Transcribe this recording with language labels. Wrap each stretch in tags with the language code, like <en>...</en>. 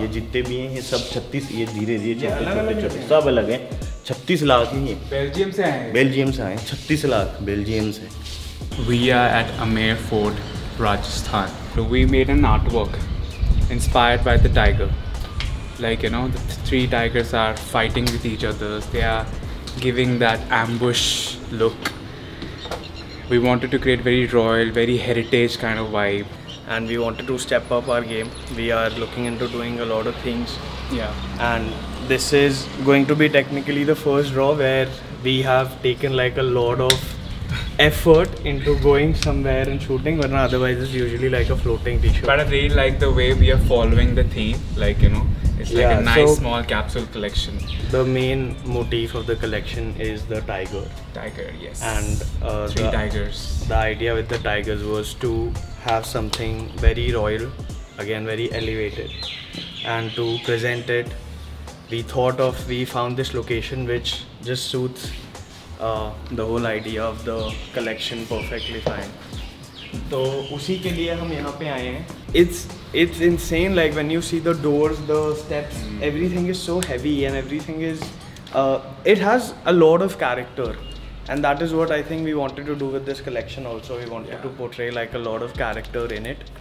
<hi>ये जितने भी हैं ये सब 36, ये धीरे धीरे छोटे छोटे छोटे सब अलग हैं. 36 लाख ही बेल्जियम से आए, बेल्जियम से आए 36 लाख बेल्जियम से.</hi> <en>We are at Amer fort Rajasthan. We made an art work inspired by the tiger. Like, you know, the three tigers are fighting with each other. They are giving that ambush look. We wanted to create very royal, very heritage kind of vibe. And we wanted to step up our game. We are looking into doing a lot of things. Yeah. And this is going to be technically the first draw where we have taken like a lot of effort into going somewhere and shooting, but otherwise it's usually like a floating t-shirt. But I really like the way we are following the theme, like, you know, it's like, yeah, a nice, so small capsule collection. The main motif of the collection is the tiger. Tiger, yes. And three tigers. The idea with the tigers was to have something very royal, again very elevated, and to present it. We thought of, we found this location which just suits the whole idea of the collection perfectly fine.</en> <hi>तो उसी के लिए हम यहाँ पे आए हैं.</hi> <en>It's insane like when you see the doors the steps everything is so heavy and everything is it has a lot of character and that is what I think we wanted to do with this collection also. We wanted to portray like a lot of character in it.</en>